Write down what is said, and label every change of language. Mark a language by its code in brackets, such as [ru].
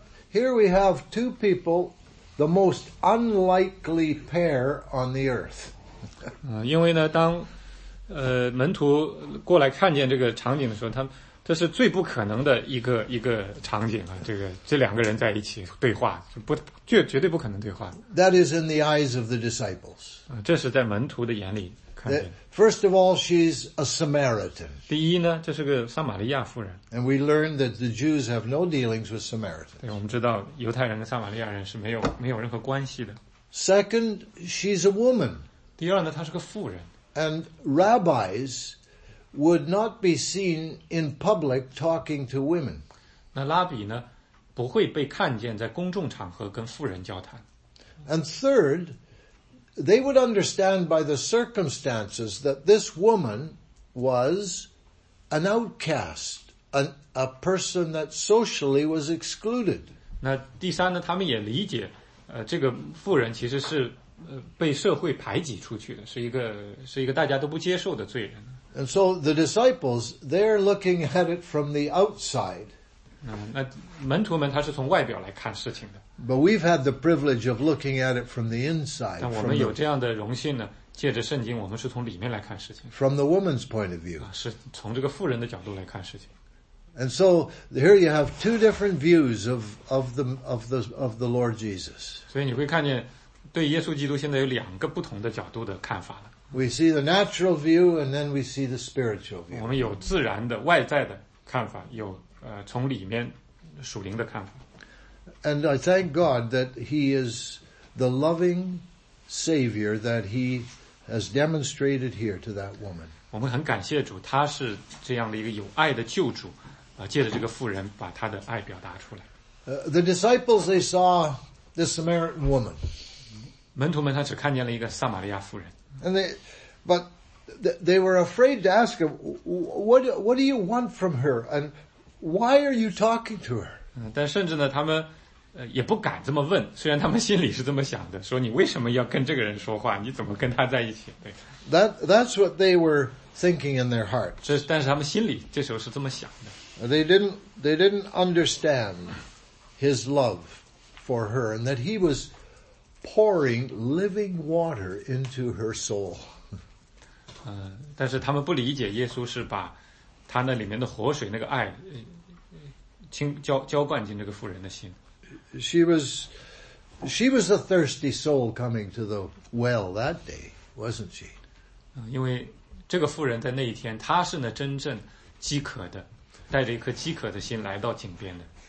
[en] Here we have two people, the most unlikely pair on the earth. [zh] 因为呢当门徒过来看见这个场景的时候，他们这是最不可能的一个场景啊，这两个人在一起对话，绝对不可能对话。 [en] That is in the eyes of the disciples. [zh] 这是在门徒的眼里看见。 [en] First of all, she's a Samaritan. [zh] 第一呢，这是个撒玛利亚妇人。 [en] And we learn that the Jews have no dealings with Samaritans. [zh] 对，我们知道犹太人跟撒玛利亚人是没有任何关系的。 [en] Second, she's a woman. [zh] 第二呢，她是个妇人。 [en] And rabbis,would not be seen in public talking to women. [zh] 那拉比呢，不会被看见在公众场合跟妇人交谈。 [en] And third, they would understand by the circumstances that this woman was an outcast, a person that socially was excluded. [zh] 那第三呢，他们也理解，这个妇人其实是被社会排挤出去的，是一个大家都不接受的罪人。 [en] And so the disciples, they're looking at it from the outside. [zh] 那门徒们他是从外表来看事情的。 [en] But we've had the privilege of looking at it from the inside. [zh] 但我们有这样的荣幸呢，借着圣经我们是从里面来看事情。 [en] From the woman's point of view. [zh] 是从这个妇人的角度来看事情。 [en] And so here you have two different views of the Lord Jesus. [zh] 所以你会看见对耶稣基督现在有两个不同的角度的看法了。 [en] We see the natural view, and then we see the spiritual view. [zh] 我们有自然的、外在的看法，有从里面属灵的看法。 [en] And I thank God that He is the loving Savior that He has demonstrated here to that woman. [zh] 我们很感谢主，他是这样的一个有爱的救主，借着这个妇人把他的爱表达出来。 [en] The disciples they saw the Samaritan woman. [zh] 门徒们他只看见了一个撒玛利亚妇人。 [en] And they, but they were afraid to ask him, what do you want from her? And why are you talking to her? [zh] 但甚至呢他们也不敢这么问，虽然他们心里是这么想的，说你为什么要跟这个人说话，你怎么跟他在一起。对。 [en] That's what they were thinking in their heart. [zh] 但是他们心里这时候是这么想的。 [en] They didn't understand his love for her and that he was pouring living water into her soul. [zh] 但是他们不理解耶稣是把他那里面的活水那个爱浇灌进这个妇人的心。 [en] She was a thirsty soul coming to the well that day, wasn't she? [zh] 因为这个妇人在那一天，她是那真正饥渴的，带着一颗饥渴的心来到井边的。